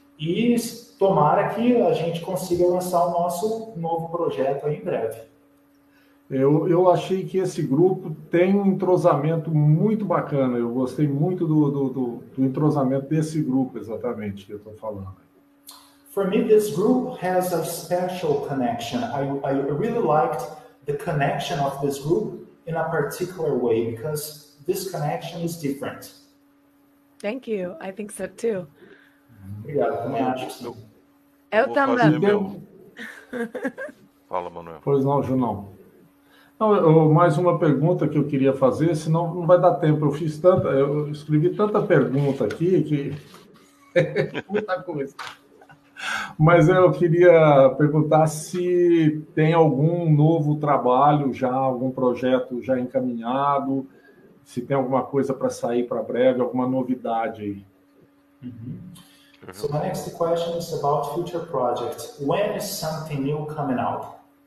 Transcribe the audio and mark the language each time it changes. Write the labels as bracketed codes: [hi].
[pt] E tomara que a gente consiga lançar o nosso novo projeto aí em breve. Eu achei que esse grupo tem um entrosamento muito bacana. Eu gostei muito do entrosamento desse grupo, exatamente, que eu estou falando. [en] For me, this group has a special connection. I really liked the connection of this group in a particular way, because this connection is different. Thank you. I think so, too. [pt] Obrigado. Eu também. Fala, Manuel. Pois não, Junão. Mais uma pergunta que eu queria fazer, senão não vai dar tempo. Eu escrevi tanta pergunta aqui que... Muita coisa. Mas eu queria perguntar se tem algum novo trabalho já, algum projeto já encaminhado, se tem alguma coisa para sair para breve, alguma novidade aí. [en] So my next question is about future projects. When is something new coming out?